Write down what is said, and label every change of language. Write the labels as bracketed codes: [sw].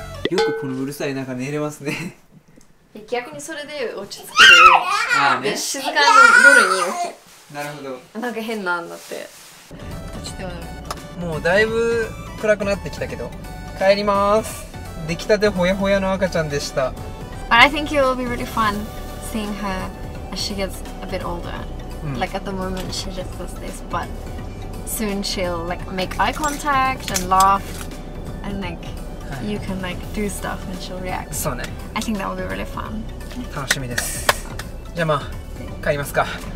[ja] よくこのうるさい中寝れますね。逆にそれで落ち着ける。あ、ね、静かな夜に起き。なるほど。なんか変なんだって。もうだいぶ暗くなってきたけど、帰ります。出来たてほやほやの赤ちゃんでした。 [en] But I think it will be really fun seeing her as she gets a bit older. Like at the moment she just does this, but soon she'll like make eye contact and laugh and like、はい、you can like do stuff and she'll react. [ja] そうね。 [en] I think that will be really fun. [ja] 楽しみです。じゃあまあ帰りますか。